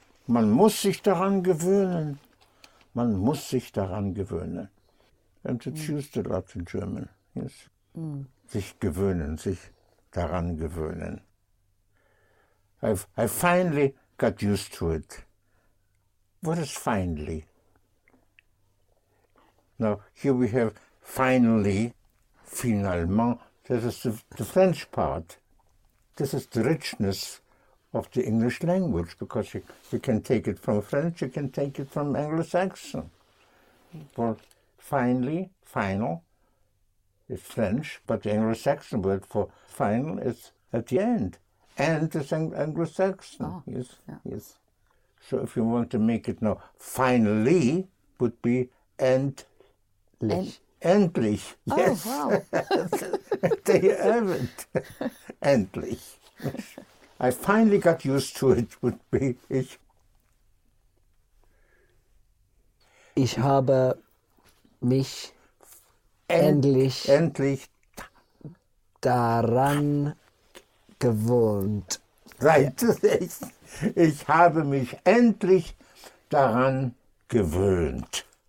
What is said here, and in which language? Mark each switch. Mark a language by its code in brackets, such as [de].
[de] Man muss sich daran gewöhnen. Man muss sich daran gewöhnen. [en] And it's used a lot in German. Yes. Mm. [de] Sich gewöhnen, sich daran gewöhnen. [en] I finally got used to it. What is finally? Now, here we have finally, finalement. This is the French part. This is the richness of the English language, because you can take it from French, you can take it from Anglo-Saxon. Well, finally, final, is French, but the Anglo-Saxon word for final is at the end. End is Anglo-Saxon. Oh, yes, yeah. Yes. So if you want to make it now, finally would be endlich. Yes. Oh, wow. There you have it. Endlich. I finally got used to it, would be ich. [de] Ich habe mich endlich daran gewöhnt. [en] Right. [de] Ich habe mich endlich daran gewöhnt.